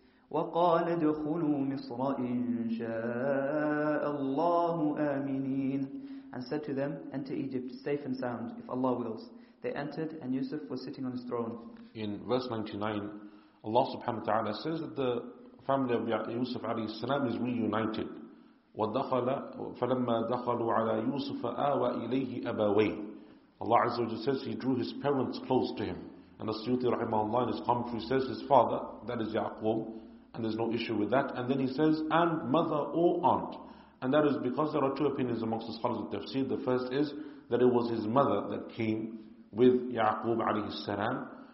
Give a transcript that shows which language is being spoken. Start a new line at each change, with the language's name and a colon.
Arabic: وَقَالَ دَخُلُوا مِصْرَ إِن شَاءَ اللَّهُ آمِنِينَ.
English: And said to them, enter Egypt safe and sound, if Allah wills. They entered, and Yusuf was sitting on his throne. In verse 99, Allah subhanahu wa ta'ala says that the family of Yusuf alayhi salam is reunited.
Arabic: ودخل فلما دخلوا على يوسف آوى إليه أبويه.
English: Allah Azza wa Jalla says he drew his parents close to him. And As-Suyuti rahimahullah in his commentary says his father, that is Yaqub, and there's no issue with that. And then he says, and mother or aunt. And that is because there are two opinions amongst the scholars of tafsir. The first is that it was his mother that came with Yaqub alayhi salam.